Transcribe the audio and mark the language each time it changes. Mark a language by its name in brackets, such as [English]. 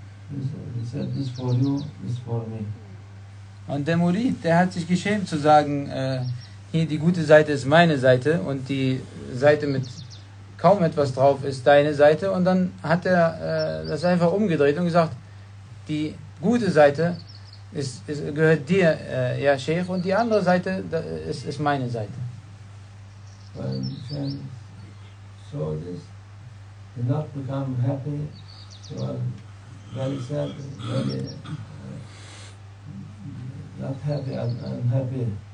[English] He said, this for you, this for me. [German] Und der Murid, der hat sich geschämt zu sagen, hier die gute Seite ist meine Seite und die Seite mit kaum etwas drauf ist deine Seite. Und dann hat er das einfach umgedreht und gesagt, die gute Seite gehört dir, ja Sheikh, und die andere Seite ist meine Seite. [English] When he saw this, he not become happy, he was very sad, very not happy, unhappy.